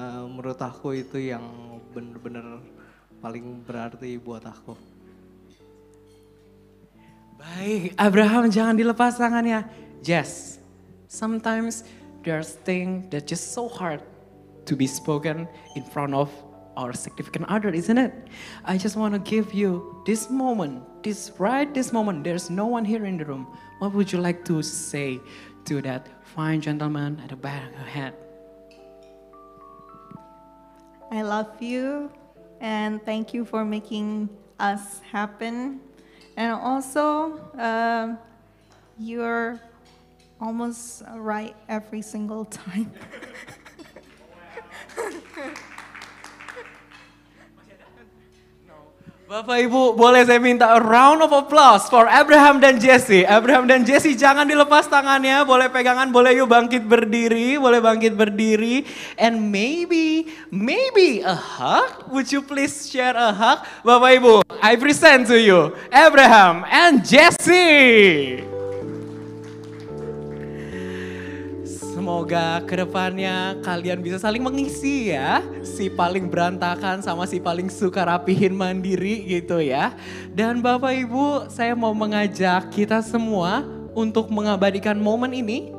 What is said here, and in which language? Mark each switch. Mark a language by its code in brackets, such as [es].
[id] Menurut aku itu yang benar-benar paling berarti buat aku. Baik, Abraham jangan dilepas tangannya. [en] Jess, sometimes there's thing that just so hard to be spoken in front of our significant other, isn't it? I just want to give you this moment, this right this moment. There's no one here in the room. What would you like to say to that fine gentleman at the back of your head? I love you and thank you for making us happen. And also, you're almost right every single time. [id] Bapak Ibu, boleh saya minta [en] a round of applause [id] for Abraham dan Jesse. Abraham dan Jesse, jangan dilepas tangannya, boleh pegangan, boleh yuk bangkit berdiri, boleh bangkit berdiri. [en] And maybe, maybe a hug, would you please share a hug? [id] Bapak Ibu, [en] I present to you Abraham and Jesse. [id] Semoga kedepannya kalian bisa saling mengisi ya. Si paling berantakan sama si paling suka rapihin mandiri gitu ya. Dan Bapak Ibu, saya mau mengajak kita semua untuk mengabadikan momen ini.